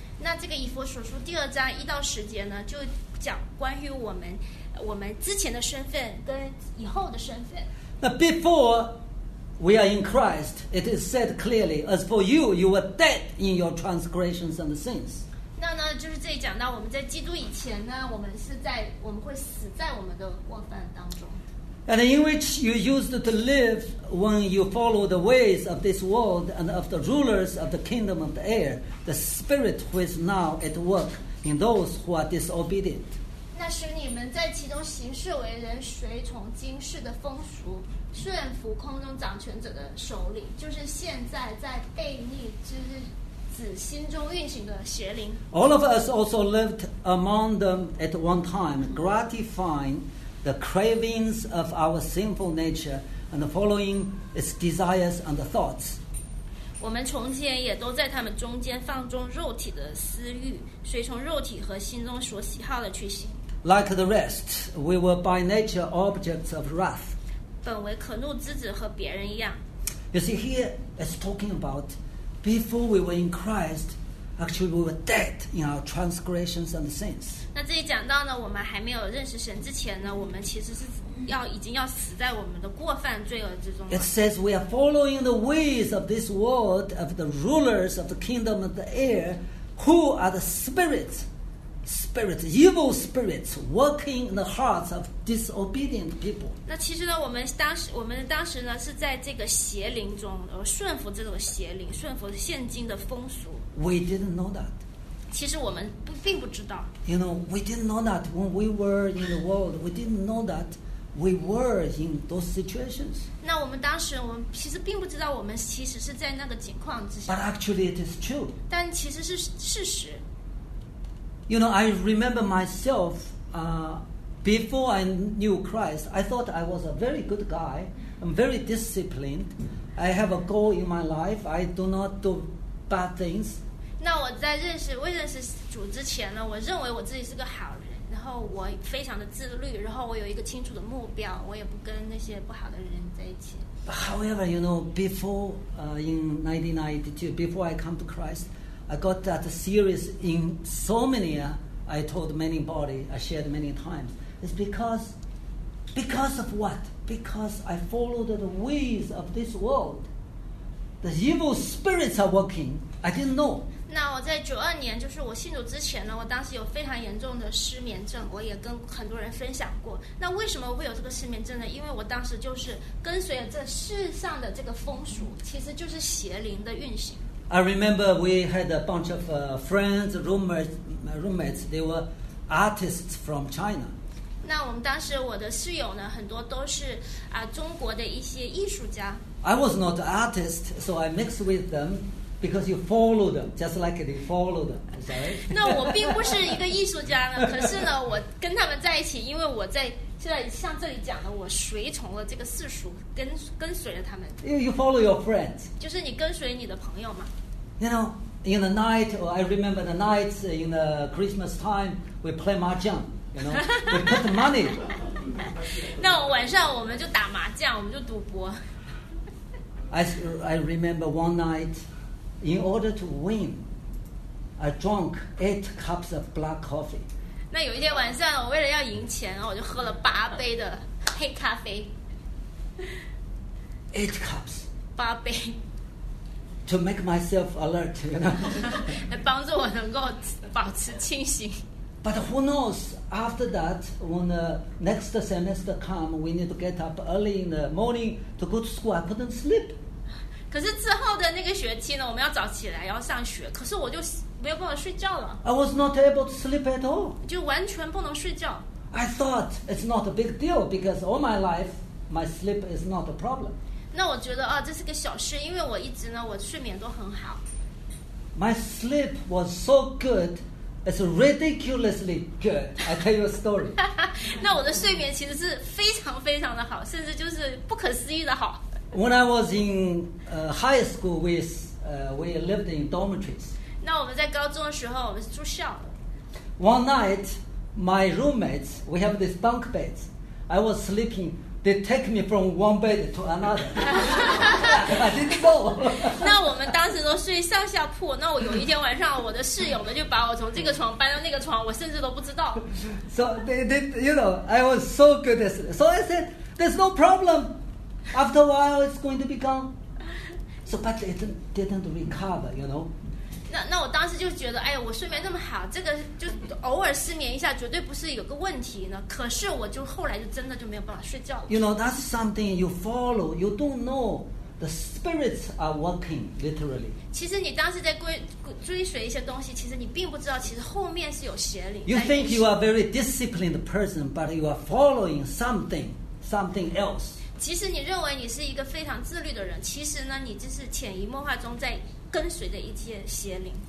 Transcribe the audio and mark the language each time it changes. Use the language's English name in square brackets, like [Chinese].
[Chinese] 那这个以弗所书第二章一到十节呢，就讲关于我们之前的身份跟以后的身份。 [English] 那 before... We are in Christ. It is said clearly. As for you, you were dead in your transgressions and sins. [Chinese] 那呢，就是这里讲到我们在基督以前呢，我们会死在我们的过犯当中。 [English] And in which you used to live when you followed the ways of this world and of the rulers of the kingdom of the air, the spirit who is now at work in those who are disobedient. [Chinese] 那使你们在其中行事为人，随从今世的风俗，顺服空中掌权者的首领，就是现在在悖逆之子心中运行的邪灵。 [English] All of us also lived among them at one time, gratifying the cravings of our sinful nature and following its desires and thoughts. [Chinese] 我们从前也都在他们中间放纵肉体的私欲，随从肉体和心中所喜好的去行。 [English] Like the rest, we were by nature objects of wrath. [Chinese] 本为可怒之子，和别人一样。 [English] You see, here it's talking about before we were in Christ, actually we were dead in our transgressions and sins. [Chinese] 那这里讲到呢，我们还没有认识神之前呢，我们其实是已经要死在我们的过犯罪恶之中。 [English] It says we are following the ways of this world, of the rulers of the kingdom of the air, who are the spirits, evil spirits working in the hearts of disobedient people. [Chinese] 那其实呢，我们当时呢是在这个邪灵中，而顺服这种邪灵，顺服现今的风俗。 [English] We didn't know that. [Chinese] 其实我们并不知道。 [English] You know, we didn't know that when we were in the world. We didn't know that we were in those situations. [Chinese] 那我们当时，我们其实并不知道，我们其实是在那个情况之下。 [English] But actually, it is true. [Chinese] 但其实是事实。 [English] You know, I remember myself, before I knew Christ, I thought I was a very good guy. I'm very disciplined. I have a goal in my life. I do not do bad things. [Chinese] 那我在未认识主之前呢，我认为我自己是个好人，然后我非常的自律，然后我有一个清楚的目标，我也不跟那些不好的人在一起。 [English] However, you know, before in 1992, before I come to Christ, I got that serious insomnia. I told many body, I shared many times. It's because of what? Because I followed the ways of this world. The evil spirits are working. I didn't know. [Chinese] 那我在92年，就是我信主之前呢，我当时有非常严重的失眠症，我也跟很多人分享过。那为什么会有这个失眠症呢？因为我当时就是跟随了这世上的这个风俗，其实就是邪灵的运行。 [English] I remember we had a bunch of friends, roommates. They were artists from China. [Chinese] 那我们当时我的室友呢，很多都是中国的一些艺术家。 [English] I was not an artist, so I mixed with them. Because you follow them, just like they follow them, right? [Chinese] 那我并不是一个艺术家呢，可是呢，我跟他们在一起，因为我在现在像这里讲的，我随从了这个世俗，跟随了他们。 [English] You follow your friends. [Chinese] 就是你跟随你的朋友嘛。 [English] You know, in the night, or I remember the nights in the Christmas time, we play mahjong. You know, we put the money. [Chinese] 那晚上我们就打麻将，我们就赌博。 [English] I remember one night. In order to win, I drank 8 cups of black coffee. [Chinese] 那有一天晚上，我为了要赢钱，我就喝了8杯的黑咖啡。 [English] 8 cups. [Chinese] 8杯。 [English] To make myself alert, you know. [Chinese] 来帮助我能够保持清醒。 [English] But who knows? After that, when the next semester come, we need to get up early in the morning to go to school. I couldn't sleep. [Chinese] 可是之后的那个学期呢，我们要早起来要上学，可是我就没有办法睡觉了。 [English] I was not able to sleep at all. [Chinese] 就完全不能睡觉。 [English] I thought it's not a big deal because all my life my sleep is not a problem. [Chinese] 那我觉得啊，这是个小事，因为我一直呢，我睡眠都很好。 [English] My sleep was so good, it's ridiculously good. I tell you a story. [Chinese] 那我的睡眠其实是非常非常的好，甚至就是不可思议的好。 [English] When I was in high school, we lived in dormitories. [Chinese] 那我们在高中的时候，我们是住校。 [English] One night, my roommates, we have this bunk beds. I was sleeping. They take me from one bed to another. I didn't know. [Chinese] 那我们当时都睡上下铺。那我有一天晚上，我的室友们就把我从这个床搬到那个床，我甚至都不知道。 [English] So they, you know, I was so good at sleep. So I said, "There's no problem." After a while, it's going to be gone. So, but it didn't recover, you know. [Chinese] 那我当时就觉得，哎呀，我睡眠这么好，这个就偶尔失眠一下，绝对不是有个问题呢。可是我就后来就真的就没有办法睡觉了。 [English] You know, that's something you follow. You don't know the spirits are walking literally. [Chinese] 其实你当时在追随一些东西，其实你并不知道，其实后面是有邪灵。 You think you are a very disciplined person, but you are following something else. 其实你认为你是一个非常自律的人，其实呢，你就是潜移默化中在跟随的一些邪灵。